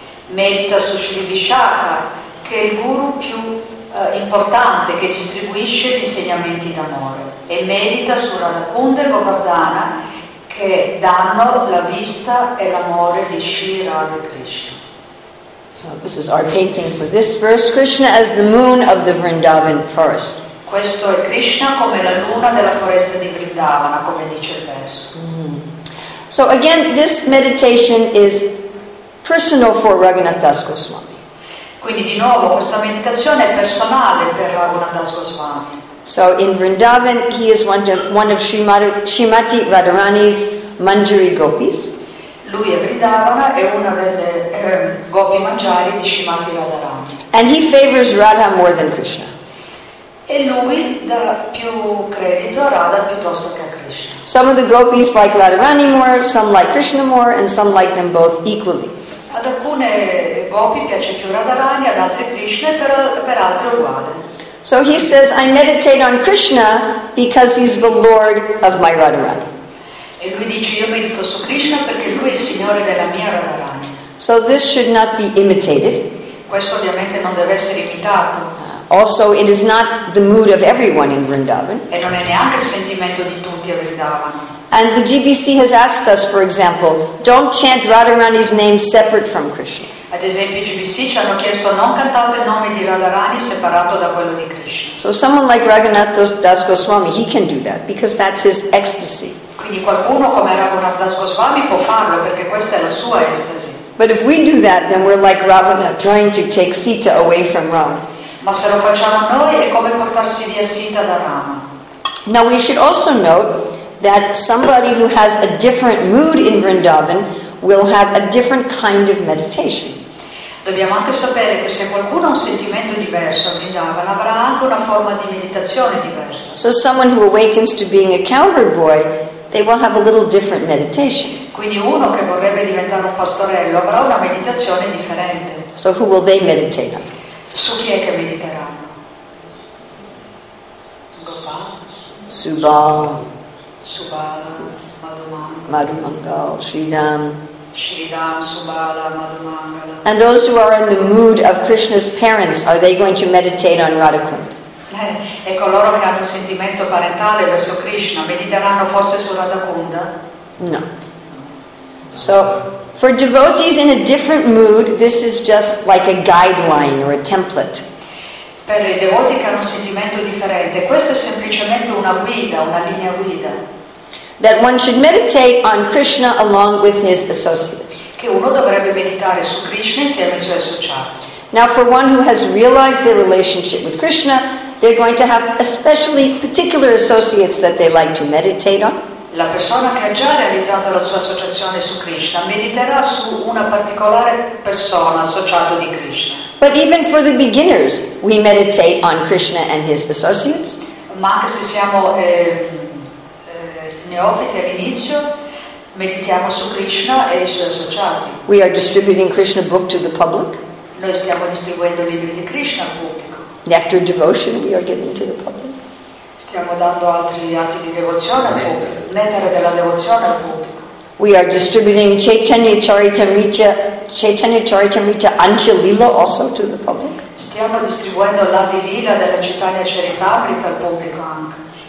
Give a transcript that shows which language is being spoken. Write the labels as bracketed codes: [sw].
[it] Medita su Sri Vishaka, che è il guru più importante, che distribuisce gli insegnamenti d'amore. E medita su Radhakunda e Govardhana, che danno la vista e l'amore di Sri Radha Krishna. [en] So this is our painting for this verse, Krishna as the moon of the Vrindavan forest. [it] Questo è Krishna come la luna della foresta di Vrindavana, come dice il verso. [en] So again, this meditation is personal for Raghunath Das Goswami. [it] Quindi di nuovo questa meditazione è personale per Raghunath Das Goswami. [en] So in Vrindavan he is one of Srimati Radharani's Manjari Gopis. [it] Lui a Vrindavana è una delle gopi mangiari di Srimati Radharani. [en] And he favors Radha more than Krishna. [it] E lui dà più credito a Radha piuttosto che a Krishna. [en] Some of the gopis like Radharani more, some like Krishna more, and some like them both equally. [it] Ad alcune gopi piace più Radharani, ad altre Krishna, per altre uguale. [en] So he says, I meditate on Krishna because he's the Lord of my Radharani. [it] E lui dice, io medito su Krishna perché lui è il signore della mia Radharani. [en] So this should not be imitated. [it] Questo ovviamente non deve essere imitato. [en] Also, it is not the mood of everyone in Vrindavan. [it] E non è neanche il sentimento di tutti a Vrindavan. [en] And the GBC has asked us, for example, don't chant Radharani's name separate from Krishna. [it] Ad esempio, i GBC ci hanno chiesto non cantate il nome di Radharani separato da quello di Krishna. [en] So someone like Raghunath Das Goswami, he can do that because that's his ecstasy. [it] Quindi qualcuno come Raghunath Das Goswami può farlo perché questa è la sua ecstasy. [en] But if we do that, then we're like Ravana trying to take Sita away from Rama. [it] Ma se lo facciamo noi è come portarsi via Sita da Rama. [en] Now we should also note that somebody who has a different mood in Vrindavan will have a different kind of meditation. [it] Dobbiamo anche sapere che se qualcuno ha un sentimento diverso a Vrindavan avrà anche una forma di meditazione diversa. [en] So someone who awakens to being a cowherd boy, they will have a little different meditation. [it] Quindi uno che vorrebbe diventare un pastorello avrà una meditazione differente. [en] So who will they meditate on? [it] Su chi è che mediteranno? [en] Subal. [it] Subala, [en] Madhumangala, Sridham. [it] Sridham, Subala, Madhumangala. [en] And those who are in the mood of Krishna's parents, are they going to meditate on Radhakunda? [it] E coloro che hanno il sentimento parentale verso Krishna, mediteranno forse su Radhakunda? [en] No. So, for devotees in a different mood, this is just like a guideline or a template. [it] Per i devoti che hanno un sentimento differente, questo è semplicemente una guida, una linea guida. [en] That one should meditate on Krishna along with his associates. [it] Che uno dovrebbe meditare su Krishna insieme ai suoi associati. [en] Now for one who has realized their relationship with Krishna, they're going to have especially particular associates that they like to meditate on. [it] La persona che ha già realizzato la sua associazione su Krishna mediterà su una particolare persona associata di Krishna. [en] But even for the beginners, we meditate on Krishna and his associates. [it] Ma anche se siamo neofiti all'inizio, meditiamo su Krishna e i suoi associati. [en] We are distributing Krishna book to the public. [it] Noi stiamo distribuendo libri di Krishna al pubblico. [en] Nectar devotion we are giving to the public. [it] Stiamo dando altri atti di devozione al pubblico, nettare della devozione al pubblico. [en] We are distributing Chaitanya Charitamrita Anchalila also to the public. [it] Stiamo distribuendo la Lila della Chaitanya Charitamrita al pubblico anche.